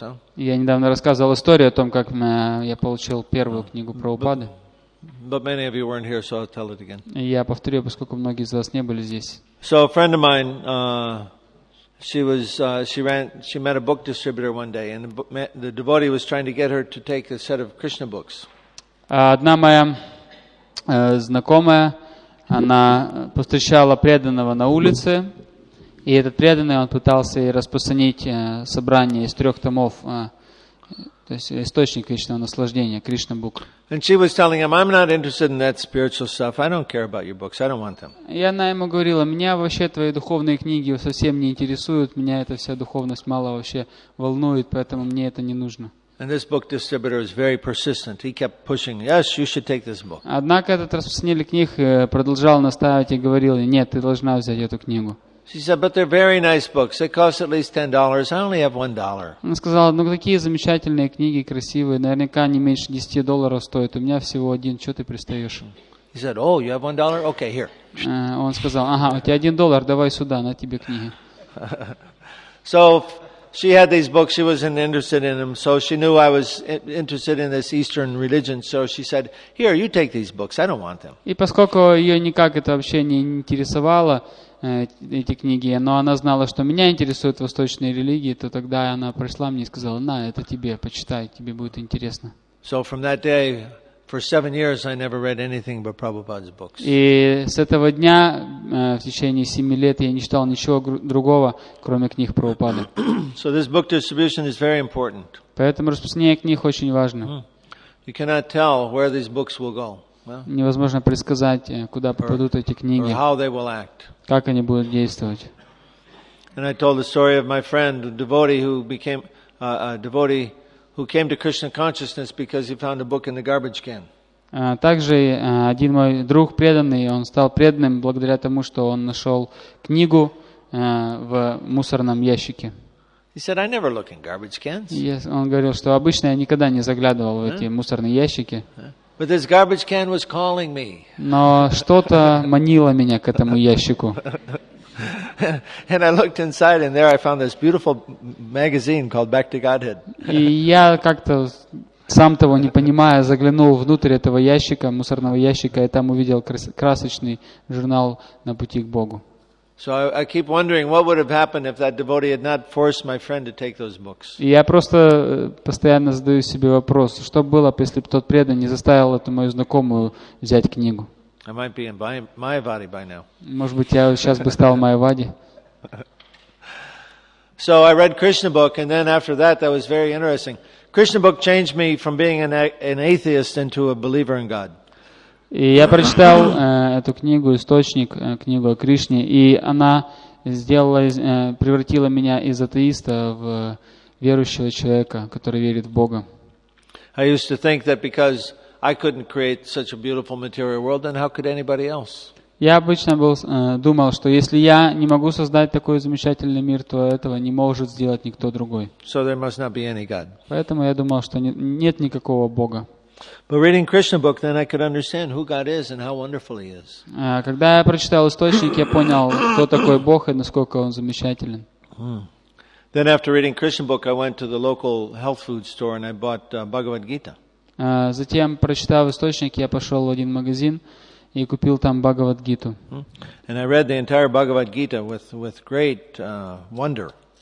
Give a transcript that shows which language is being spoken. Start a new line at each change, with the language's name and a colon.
Russian: Huh? Я недавно рассказывал историю о том, как я получил первую книгу Прабхупады.
English: But many of you weren't here, so I'll tell it again.
Russian: Я повторю, поскольку многие из вас не были здесь.
English: So a friend of mine, she met a book distributor one day, and the devotee was trying to get her to take a set of Krishna books.
Russian: Одна моя знакомая. Она повстречала преданного на улице, и этот преданный, он пытался ей распространить собрание из трех томов, то есть источник вечного наслаждения, Кришна Бук.
English: And she was telling him, I'm not interested in that spiritual stuff. I don't care about your books. I don't want them.
Russian: И она ему говорила, меня вообще твои духовные книги совсем не интересуют, меня эта вся духовность мало вообще волнует, поэтому мне это не нужно.
English: And this book distributor was very persistent. He kept pushing. Yes, you should take this book.
Russian: Однако этот распространитель книг продолжал настаивать и говорил: "Нет, ты должна взять эту книгу."
English: She said, "But they're very nice books. They cost at least $10. I only have $1."
Russian: Она сказала: "Ну какие замечательные книги, красивые, наверняка не меньше $10 стоят. У меня всего один. Чего ты пристаешь?"
English: He said, "Oh, you have $1? Okay, here."
Russian: Он сказал: "Ага, у тебя $1. Давай сюда, на тебе книги." So.
English: She had these books, she wasn't interested in them, so she knew I was interested in this Eastern religion, so she said, here, you take these books, I don't want them.
Russian: И поскольку ее никак это вообще не интересовало, эти книги, но она знала, что меня интересуют восточные религии, то тогда она пришла мне и сказала, на, это тебе, почитай, тебе будет интересно.
English: So from that day, for 7 years, I never read anything but Prabhupada's books.
Russian: И с этого дня, в течение 7 лет, я не читал ничего другого, кроме книг Прабхупады.
English: So this book distribution is very important.
Russian: Поэтому распространение книг очень важно.
English: You cannot tell where these books will go.
Russian: Невозможно предсказать, куда попадут эти книги.
English: Or how they will act.
Russian: Как они будут действовать.
English: And I told the story of my friend, a devotee who became a devotee who came to Krishna consciousness because he found a book in the garbage can.
Russian: Также один мой друг преданный, он стал преданным благодаря тому, что он нашел книгу в мусорном ящике.
English: He said, I never look in garbage cans. Yes,
Russian: он говорил, что обычно я никогда не заглядывал в эти мусорные ящики.
English: But this garbage can was calling me.
Russian: Но что-то манило меня к этому ящику.
English: And I looked inside, and there I found this beautiful magazine called Back to Godhead.
Russian: И я как-то сам того не понимая заглянул внутрь этого ящика, мусорного ящика, и там увидел красочный журнал «На пути к Богу».
English: So I keep wondering what would have happened if that devotee had not forced my friend to take those books.
Russian: И я просто постоянно задаю себе вопрос, что было бы, если бы тот преданный не заставил эту мою знакомую взять книгу.
English: I might be in Mayavadi by now.
Russian: Может быть, я сейчас бы стал Майавади.
English: So I read Krishna book, and then after that, that was very interesting. Krishna book changed me from being an atheist into a believer in God.
Russian: И я прочитал эту книгу, источник, книгу о Кришне, и она сделала, превратила меня из атеиста в верующего человека, который верит в Бога.
English: I used to think that because I couldn't create such a beautiful material world, then how could anybody else?
Russian: Я обычно думал, что если я не могу создать такой замечательный мир, то этого не может сделать никто другой.
English: So there must not be any God.
Russian: Поэтому я думал, что нет никакого Бога.
English: But reading Krishna book, then I could understand who God is and how wonderful He is.
Russian: Когда я прочитал источник, я понял, кто такой Бог и насколько Он замечателен.
English: Then after reading Krishna book, I went to the local health food store and I bought Bhagavad Gita.
Russian: Затем, прочитав источник, я пошел в один магазин и купил там Бхагавад Гиту.
English: And I read the entire Bhagavad Gita with great wonder.